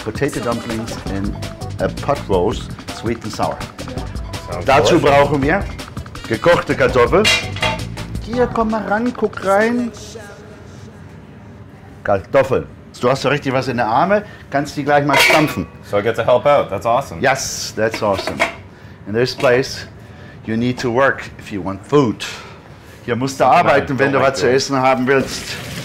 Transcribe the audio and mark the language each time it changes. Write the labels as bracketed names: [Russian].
[English] Potato Dumplings in a pot roast, sweet and sour. [German] Dazu brauchen wir gekochte Kartoffeln. Hier, komm mal ran, guck rein. Kartoffeln. Du hast doch richtig was in der Arme, kannst die gleich mal stampfen. [English] So I get to help out, that's awesome. Yes, that's awesome. In this place, you need to work if you want food. [German] Hier musst du arbeiten, wenn du was zu essen haben willst.